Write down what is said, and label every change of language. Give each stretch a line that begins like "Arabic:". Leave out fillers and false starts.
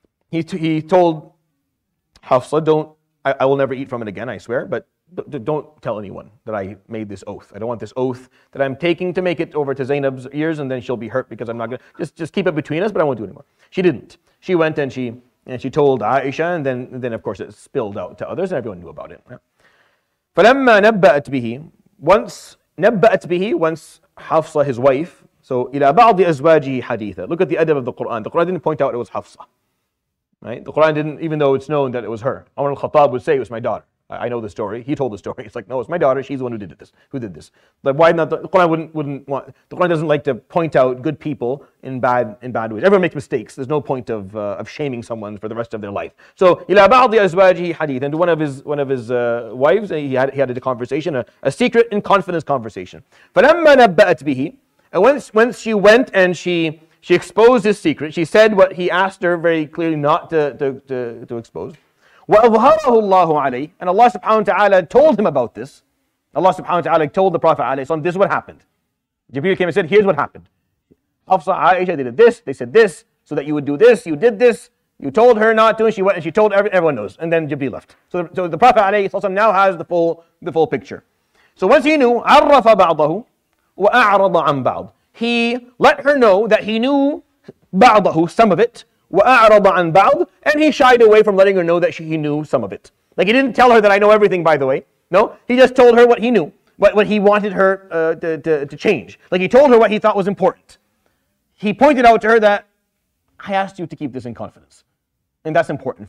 English: He told Hafsa, I will never eat from it again, I swear, but don't tell anyone that I made this oath. I don't want this oath that I'm taking to make it over to Zainab's ears, and then she'll be hurt because I'm not going to... Just keep it between us, but I won't do it anymore. She didn't. She went and she told Aisha, and then of course it spilled out to others, and everyone knew about it.
Arabic: فَلَمَّا نَبَّأَتْ بِهِ
English: Once Hafsa, his wife, so
Arabic: إِلَى بَعْضِ أَزْوَاجِهِ حَدِيثًا.
English: Look at the adab of the Qur'an. The Qur'an didn't point out it was Hafsa. Right? The Quran didn't, even though it's known that it was her. Umar al-Khattab would say, it was my daughter. I know the story. He told the story. It's like, no, it's my daughter. She's the one who did this. Like, why not? The Quran wouldn't want, the Quran doesn't like to point out good people in bad ways. Everyone makes mistakes. There's no point of shaming someone for the rest of their life.
Arabic: So, إِلَى بَعْضِ أَزْوَاجِهِ حَدِيثًا.
English: And one of his wives, he had a conversation, a secret and confidence conversation.
Arabic: فَلَمَّا نَبَّأَتْ بِهِ.
English: And once she went and she exposed his secret. She said what he asked her very clearly not to expose.
Arabic: وَأَظْهَرَهُ اللَّهُ عَلَيْهِ.
English: And Allah subhanahu wa ta'ala told him about this. Allah subhanahu wa ta'ala told the Prophet alayhi salam, this is what happened. Jibreel came and said, here's what happened. Hafsa, Aisha, they did this, they said this, so that you would do this, you did this. You told her not to, and she went and she told everyone knows. And then Jibreel left. So the Prophet alayhi salam now has the full picture. So once he knew,
Arabic: عَرَّفَ بَعْضَهُ وَأَعْرَضَ عَنْ بَعْضٍ.
English: He let her know that he knew ba'dahu, some of it,
Arabic: wa'arada an ba'd,
English: and he shied away from letting her know that he knew some of it. Like, he didn't tell her that I know everything, by the way. No, he just told her what he knew, what he wanted her to change. Like, he told her what he thought was important. He pointed out to her that, I asked you to keep this in confidence. And that's important.